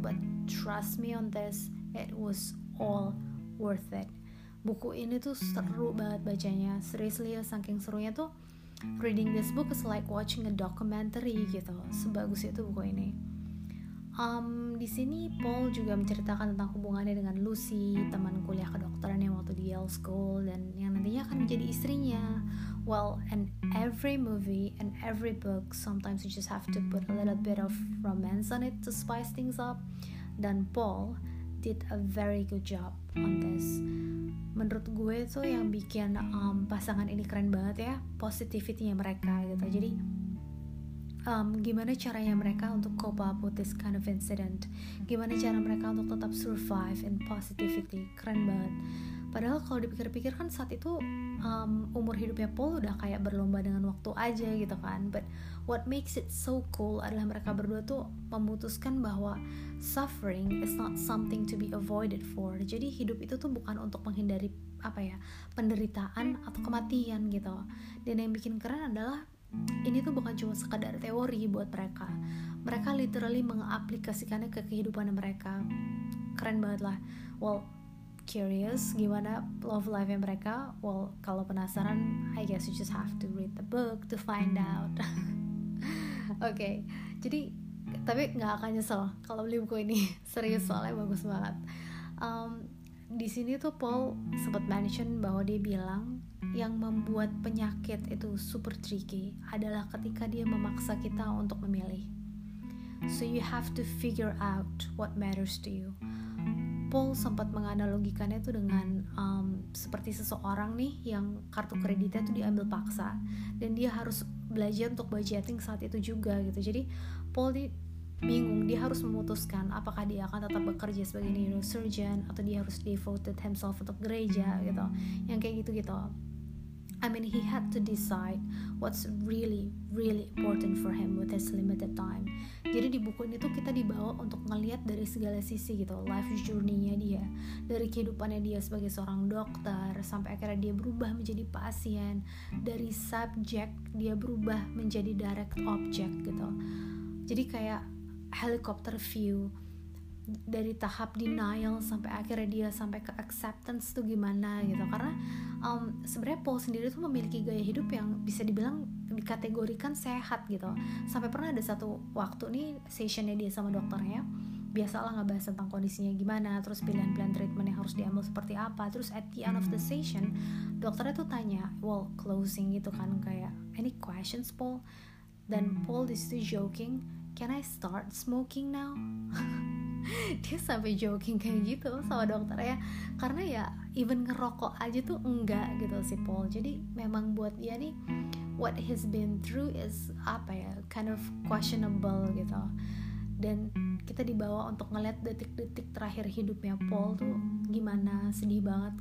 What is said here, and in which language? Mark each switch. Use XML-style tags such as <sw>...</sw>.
<en>But trust me on this, it was all worth it.</en> <id>Buku ini tuh seru banget bacanya.</id> <en>Seriously</en> <id>ya, saking serunya tuh</id> <en>reading this book is like watching a documentary</en> <id>gitu. Sebagus itu buku ini. Di sini Paul juga menceritakan tentang hubungannya dengan Lucy, teman kuliah kedokteran yang waktu di Yale School dan yang nantinya akan menjadi istrinya.</id> <en>Well, in every movie and every book, sometimes you just have to put a little bit of romance on it to spice things up.</en> <id>Dan</id> <en>Paul did a very good job on this.</en> <id>Menurut gue tuh yang bikin pasangan ini keren banget ya, positivity-nya mereka gitu. Jadi gimana caranya mereka untuk</id> <en>cope up with this kind of incident,</en> <id>gimana cara mereka untuk tetap</id> <en>survive in positivity,</en> <id>keren banget. Padahal kalau dipikir-pikir kan saat itu umur hidupnya Paul udah kayak berlomba dengan waktu aja gitu kan.</id> <en>But what makes it so cool</en> <id>adalah mereka berdua tuh memutuskan bahwa</id> <en>suffering is not something to be avoided for.</en> <id>Jadi hidup itu tuh bukan untuk menghindari apa ya, penderitaan atau kematian gitu. Dan yang bikin keren adalah ini tuh bukan cuma sekadar teori buat mereka. Mereka literally mengaplikasikannya ke kehidupan mereka. Keren banget lah. Well, curious gimana love life-nya mereka?</id> <en>Well,</en> <id>kalau penasaran,</id> <en>I guess you just have to read the book to find out.</en> <id>Okay, jadi tapi nggak akan nyesel kalau beli buku ini. Serius, soalnya bagus banget. Di sini tuh Paul sempat mention bahwa dia bilang yang membuat penyakit itu super tricky adalah ketika dia memaksa kita untuk memilih.</id> <en>So you have to figure out what matters to you.</en> <id>Paul sempat menganalogikannya tuh dengan seperti seseorang nih yang kartu kreditnya tuh diambil paksa dan dia harus belajar untuk budgeting saat itu juga gitu. Jadi Paul bingung, dia harus memutuskan apakah dia akan tetap bekerja sebagai neurosurgeon atau dia harus</id> <en>devoted himself</en> <id>untuk gereja gitu. Yang kayak gitu-gitu.</id> <en>I mean, he had to decide what's really, really important for him with his limited time.</en> <id>Jadi di buku ini tuh kita dibawa untuk ngelihat dari segala sisi gitu, life journey-nya dia. Dari kehidupannya dia sebagai seorang dokter, sampai akhirnya dia berubah menjadi pasien. Dari subject, dia berubah menjadi direct object gitu. Jadi kayak helicopter view. Dari tahap denial sampai akhirnya dia sampai ke acceptance tuh gimana gitu. Karena sebenarnya Paul sendiri tuh memiliki gaya hidup yang bisa dibilang dikategorikan sehat gitu. Sampai pernah ada satu waktu nih sessionnya dia sama dokternya, biasalah ngebahas tentang kondisinya gimana, terus pilihan-pilihan treatment yang harus diambil seperti apa. Terus</id> <en>at the end of the session,</en> <id>dokternya tuh tanya,</id> <en>well closing</en> <id>gitu kan, kayak</id> <en>any questions Paul?</en> <id>Dan Paul disitu</id> <en>joking, can I start smoking now?</en> <id>Dia sampai joking kayak gitu sama dokternya. Karena ya even ngerokok aja tuh enggak gitu si Paul. Jadi memang buat dia nih</id> <en>what he's been through is</en> <id>apa ya,</id> <en>kind of questionable</en> <id>gitu. Dan kita dibawa untuk ngeliat detik-detik terakhir hidupnya Paul tuh gimana, sedih banget.</id>